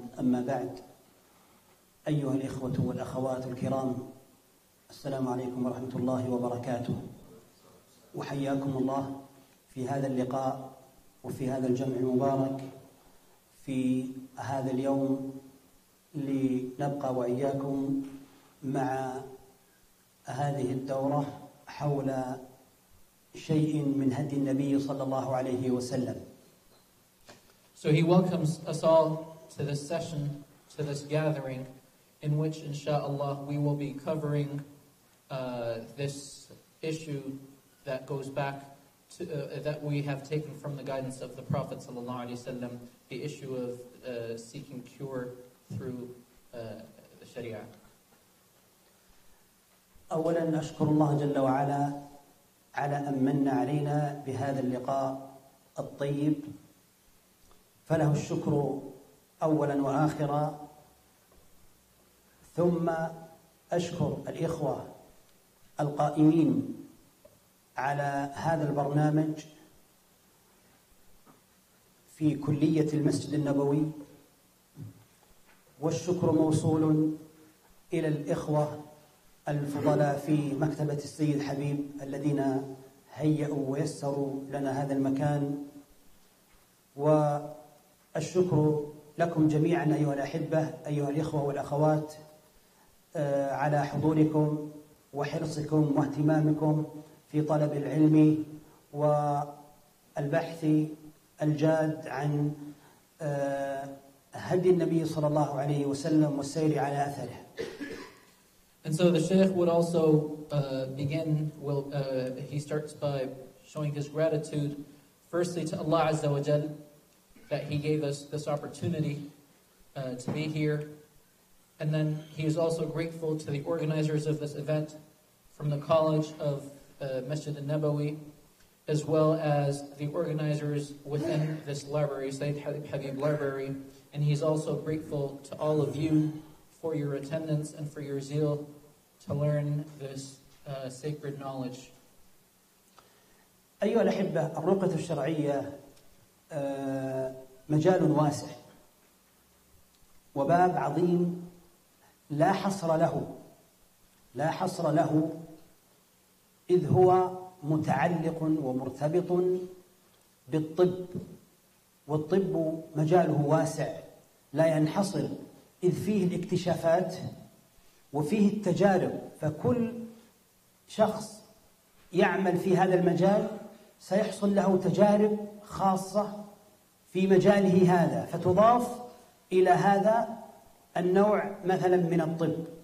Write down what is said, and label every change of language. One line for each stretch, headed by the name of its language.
Arabic: أما بعد، أيها الإخوة والأخوات الكرام، السلام عليكم ورحمة الله وبركاته، وحياكم الله في هذا اللقاء وفي هذا الجمع المبارك في هذا اليوم لنبقى وإياكم مع هذه الدورة حول شيء من هدي النبي صلى الله عليه وسلم.
English: So he welcomes us all to this session, to this gathering, in which inshallah we will be covering this issue that goes back to that we have taken from the guidance of the Prophet
Arabic: صلى الله عليه وسلم,
English: the issue of seeking cure through الشريعة.
Arabic: أولا أشكر الله جل وعلا على أن من علينا بهذا اللقاء الطيب، فله الشكر أولا وآخرا. ثم أشكر الإخوة القائمين على هذا البرنامج في كلية المسجد النبوي، والشكر موصول إلى الإخوة الفضلاء في مكتبة السيد حبيب الذين هيئوا ويسروا لنا هذا المكان. والشكر لكم جميعا أيها الأحبة، أيها الإخوة والأخوات، على حضوركم وحرصكم واهتمامكم في طلب العلم والبحث الجاد عن هدي النبي صلى الله عليه وسلم والسير على أثره.
English: And so the Shaykh would also begin, he starts by showing his gratitude firstly to Allah Azza wa Jal that he gave us this opportunity to be here. And then he is also grateful to the organizers of this event from the College of Masjid al-Nabawi, as well as the organizers within this library, Sayyid Habib Library. And he's also grateful to all of you for your attendance and for your zeal to learn this sacred knowledge.
Arabic: أيها الأحبة، الرقية الشرعية مجال واسع وباب عظيم لا حصر له، لا حصر له، إذ هو متعلق ومرتبط بالطب، والطب مجاله واسع لا ينحصر، إذ فيه الاكتشافات وفيه التجارب، فكل شخص يعمل في هذا المجال سيحصل له تجارب خاصة في مجاله هذا، فتضاف إلى هذا النوع مثلا من الطب.